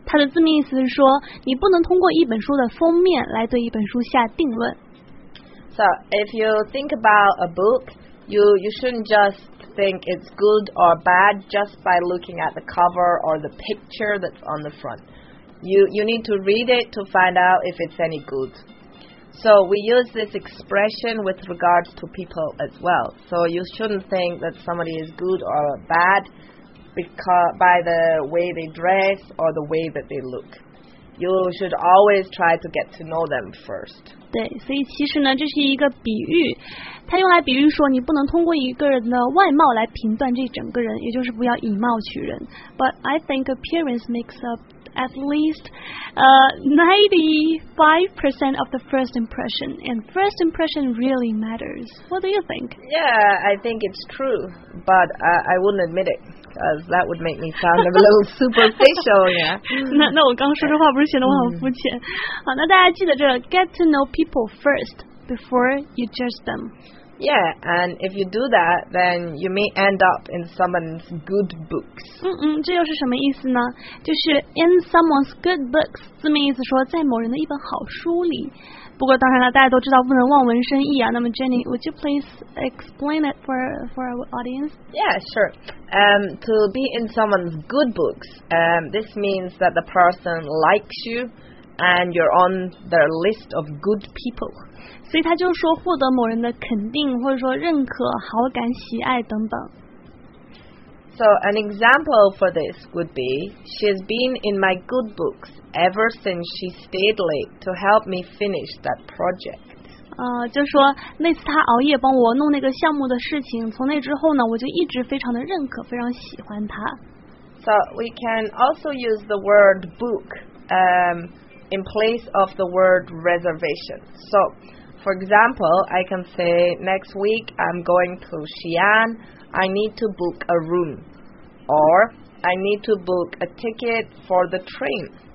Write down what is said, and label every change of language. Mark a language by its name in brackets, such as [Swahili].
[Chinese] 它的字面意思是说你不能通过一本书的封面来对一本书下定论。 [English] So, if you think about a book, you shouldn't just think it's good or bad just by looking at the cover or the picture that's on the front. You need to read it to find out if it's any good. So, we use this expression with regards to people as well. So, you shouldn't think that somebody is good or bad because by the way they dress or the way that they look. You should always try to get to know them first. [Chinese] 对，所以其实呢，这是一个比喻，它用来比喻说你不能通过一个人的外貌来评断这整个人，也就是不要以貌取人。 [English] But I think appearance makes up. At least 95% of the first impression. And first impression really matters. What do you think? Yeah, I think it's true. But I wouldn't admit it. Because that would make me sound a little superficial. Yeah. [Chinese] 那我刚说这话不是显得我很肤浅。好，那大家记得这个 [English] get to know people first before you judge them. Yeah, and if you do that, then you may end up in someone's good books. [Chinese] 这又是什么意思呢？就是 [English] in someone's good books, [Chinese] 字面意思说在某人的一本好书里。不过当然了，大家都知道不能望文生义啊。那么 [English] Jenny, would you please explain it for our audience? Yeah, sure. To be in someone's good books, this means that the person likes you and you're on their list of good people. [Chinese] 所以他就说获得某人的肯定或者说认可好感喜爱等等 [English] So an example for this would be She's been in my good books ever since she stayed late to help me finish that project、 [Chinese] 就说那次他熬夜帮我弄那个项目的事情从那之后呢我就一直非常的认可非常喜欢他 [English] So we can also use the word book、in place of the word reservation SoFor example, I can say, next week I'm going to Xi'an, I need to book a room. Or, I need to book a ticket for the train.